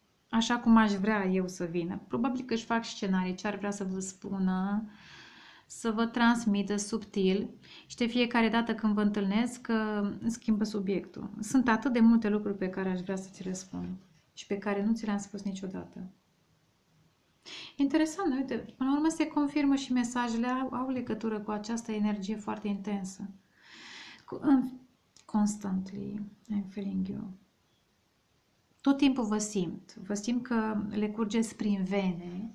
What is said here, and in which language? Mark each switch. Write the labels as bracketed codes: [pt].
[ro] Așa cum aș vrea eu să vină. Probabil că își fac scenarii, ce ar vrea să vă spună, să vă transmită subtil și de fiecare dată când vă întâlnesc, că schimbă subiectul. Sunt atât de multe lucruri pe care aș vrea să ți le spun și pe care nu ți le-am spus niciodată. Interesant, uite, până la urmă se confirmă și mesajele au legătură cu această energie foarte intensă. [en] Constantly, I'm feeling you. [ro] Tot timpul vă simt. Vă simt că le curgeți prin vene.